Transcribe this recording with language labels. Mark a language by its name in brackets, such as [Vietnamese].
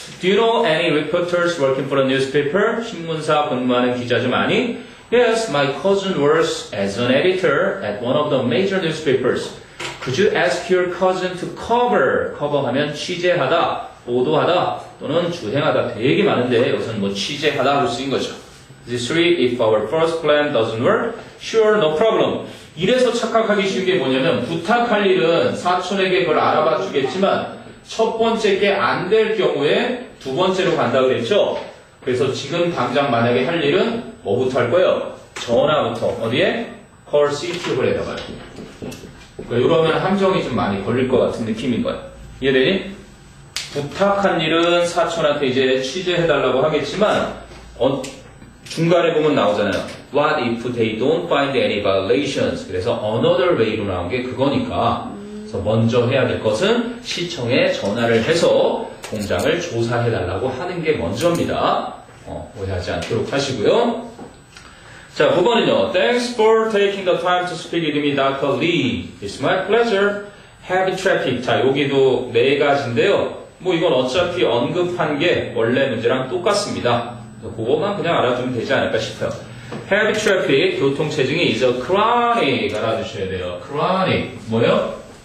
[English] Do you know any reporters working for a newspaper? [Korean] 신문사 근무하는 기자 좀 아니? [English] Yes, my cousin works as an editor at one of the major newspapers. Could you ask your cousin to cover? [Korean] Cover 하면 취재하다, 보도하다, 또는 주행하다 되게 많은데 여기서는 뭐 취재하다 로 쓰인 거죠. [English] These three, if our first plan doesn't work, sure, no problem. [Korean] 이래서 착각하기 쉬운 게 뭐냐면 부탁할 일은 사촌에게 그걸 알아봐 주겠지만 첫 번째 게 안 될 경우에 두 번째로 간다고 그랬죠? 그래서 지금 당장 만약에 할 일은 뭐부터 할 거예요? 전화부터. 어디에? Call C2홀에다가. 이러면 함정이 좀 많이 걸릴 것 같은 느낌인 거야. 이해되니? 부탁한 일은 사촌한테 이제 취재해달라고 하겠지만 중간에 보면 나오잖아요. [English] What if they don't find any violations? [Korean] 그래서 [English] another way [Korean] 로 나온 게 그거니까 그래서 먼저 해야 될 것은 시청에 전화를 해서 공장을 조사해달라고 하는 게 먼저입니다. 오해하지 않도록 하시고요. 자, 9번은요. [English] Thanks for taking the time to speak with me, Dr. Lee. It's my pleasure. Heavy traffic. [Korean] 자, 여기도 네 가지인데요. 뭐 이건 어차피 언급한 게 원래 문제랑 똑같습니다. 그거만 그냥 알아두면 되지 않을까 싶어요. [English] Heavy traffic, [Korean] 교통체증이 [English] is a chronic. [Korean] 알아주셔야 돼요. [English] Chronic. [Korean] 뭐요?